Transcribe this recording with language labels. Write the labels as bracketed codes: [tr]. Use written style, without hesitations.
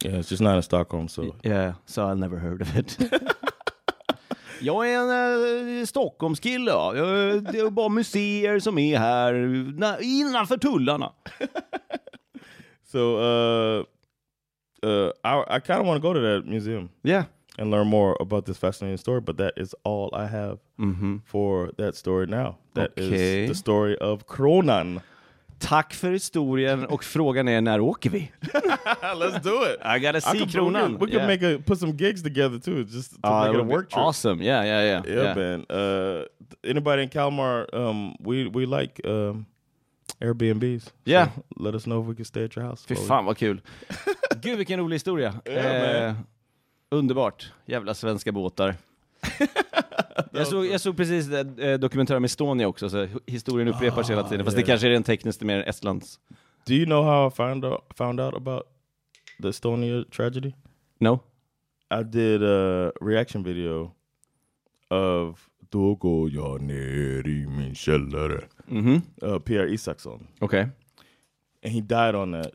[en] Yeah, it's just not in Stockholm, so. Yeah, so I never heard of it. [sv] Jag är en Stockholmskille, ja. Det är bara museer som är här innanför tullarna. [en] So, I kind of want to go to that museum. Yeah. And learn more about this fascinating story, but that is all I have for that story now. That okay. is the story of Kronan. [sv] Tack för historien och frågan är när åker vi? [en] Let's do it. I gotta see Kronan. We can make put some gigs together too, just to make it a work trip. Awesome. Yeah, yeah, yeah. Yeah, yeah. Man. Anybody in Kalmar, we like Airbnbs. Yeah. So let us know if we can stay at your house. [sv] Fy fan, vad kul. Gud, vilken rolig historia. [en] Yeah, [sv] underbart. Jävla svenska båtar. Jag såg precis dokumentären om Estonia också, så historien upprepar sig hela tiden. Fast det kanske är en tekniskt mer Estlands. [en] Do you know how I found out about the Estonia tragedy? No. I did a reaction video of Då går jag ner i min källare. Mm-hmm. Pierre Isaksson. Okej. Okay. And he died on that.